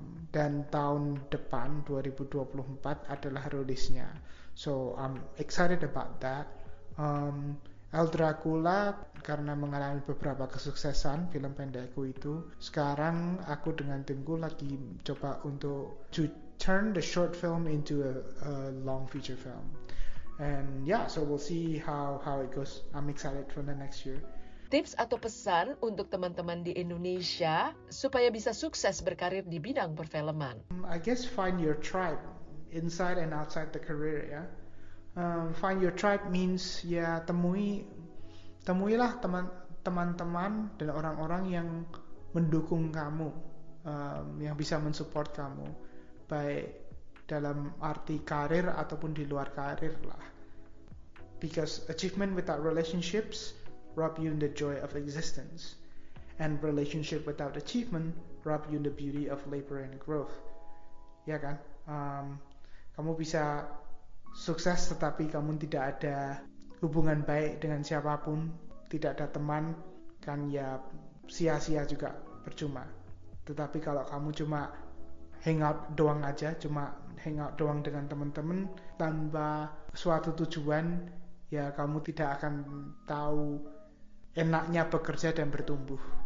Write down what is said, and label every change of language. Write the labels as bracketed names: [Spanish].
[Indonesian] Dan tahun depan 2024 adalah rilisnya. [English] So I'm excited about that. [Indonesian] El Dracula karena mengalami beberapa kesuksesan film pendekku itu, sekarang aku dengan timku lagi coba untuk [English] to turn the short film into a long feature film. And yeah, so we'll see how it goes. I'm excited for the next year. [Indonesian] Tips atau pesan untuk teman-teman di Indonesia supaya bisa sukses berkarir di bidang perfilman? [English] I guess find your tribe inside and outside the career, ya. Find your tribe means [Indonesian] ya temuilah teman-teman dan orang-orang yang mendukung kamu yang bisa mensupport kamu, baik dalam arti karir ataupun di luar karir lah. [English] Because achievement without relationships rob you in the joy of existence, and relationship without achievement rob you in the beauty of labor and growth. [Indonesian] Ya kan? Kamu bisa sukses tetapi kamu tidak ada hubungan baik dengan siapapun, tidak ada teman, kan ya sia-sia juga, percuma. Tetapi kalau kamu cuma hangout doang aja, cuma hangout doang dengan teman-teman tanpa suatu tujuan, ya kamu tidak akan tahu enaknya bekerja dan bertumbuh.